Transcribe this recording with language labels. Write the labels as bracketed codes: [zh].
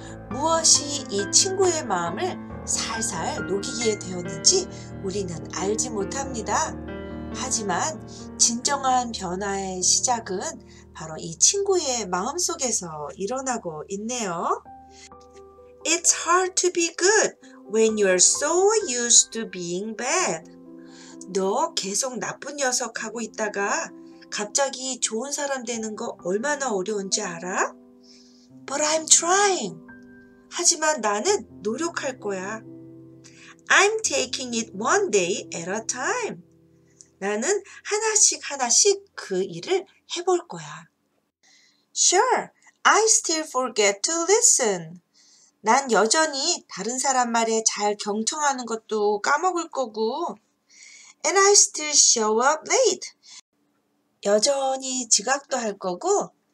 [ko] 무엇이 이 친구의 마음을 살살 녹이게 되었는지 우리는 알지 못합니다. 하지만 진정한 변화의 시작은 바로 이 친구의 마음 속에서 일어나고 있네요. [en] It's hard to be good when you're so used to being bad. [ko] 너 계속 나쁜 녀석 하고 있다가 갑자기 좋은 사람 되는 거 얼마나 어려운지 알아? [en] But I'm trying. [ko] 하지만 나는 노력할 거야. [en] I'm taking it one day at a time. [ko] 나는 하나씩 하나씩 그 일을 해볼 거야. [en] Sure, I still forget to listen. [ko] 난 여전히 다른 사람 말에 잘 경청하는 것도 까먹을 거고. [en] And I still show up late. [ko] 여전히 지각도 할 거고.